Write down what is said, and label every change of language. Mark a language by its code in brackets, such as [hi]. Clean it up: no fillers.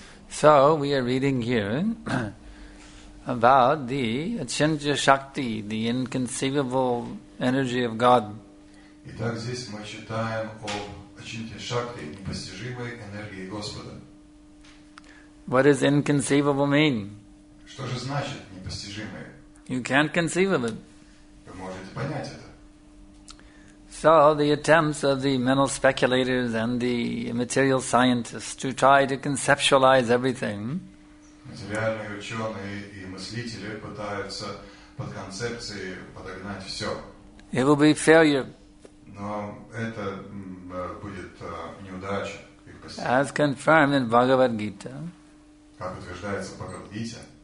[en] So we are reading here about the Achintya Shakti, the inconceivable energy of God. [ru] Итак, здесь мы читаем о Ачинтья Шакти, непостижимой энергии Господа. [en] What does inconceivable mean? [ru] Что же значит непостижимое? [en] You can't conceive of it. [ru] Вы можете понять это. [en] So, the attempts of the mental speculators and the material scientists to try to conceptualize everything. [ru] Материальные ученые и мыслители пытаются под концепции подогнать все. [en] It will be failure. [ru] Но это будет неудача. [en] As confirmed in Bhagavad Gita. [ru] Как утверждается в Бхагавад Гите.